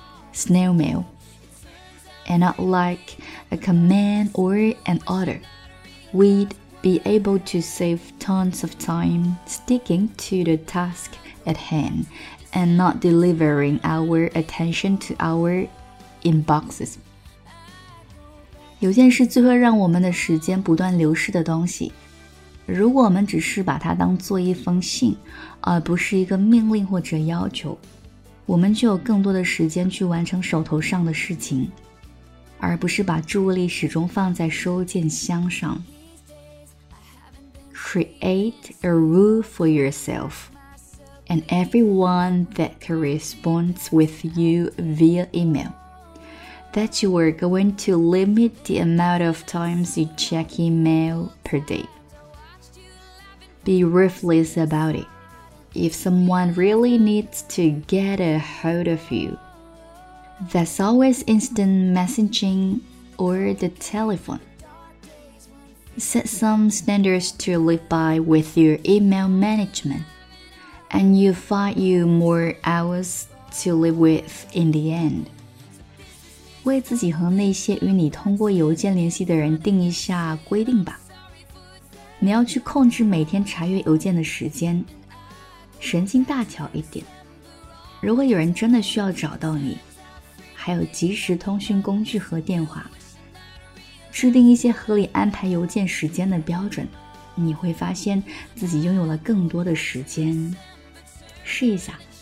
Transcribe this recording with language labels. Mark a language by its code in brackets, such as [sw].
[en] Snail mail, and not like a command or an order, we'd be able to save tons of time sticking to the task at hand and not delivering our attention to our inboxes. [zh] 邮件是最会让我们的时间不断流失的东西。如果我们只是把它当做一封信，而不是一个命令或者要求，我们就有更多的时间去完成手头上的事情，而不是把注意力始终放在收件箱上。 [en] Create a rule for yourself and everyone that corresponds with you via email that you are going to limit the amount of times you check email per day. Be ruthless about it. If someone really needs to get a hold of you, that's always instant messaging or the telephone. Set some standards to live by with your email management, and you'll find you more hours to live with in the end. [zh] 为自己和那些与你通过邮件联系的人定一下规定吧。你要去控制每天查阅邮件的时间。神经大条一点，如果有人真的需要找到你，还有即时通讯工具和电话，制定一些合理安排邮件时间的标准，你会发现自己拥有了更多的时间。试一下。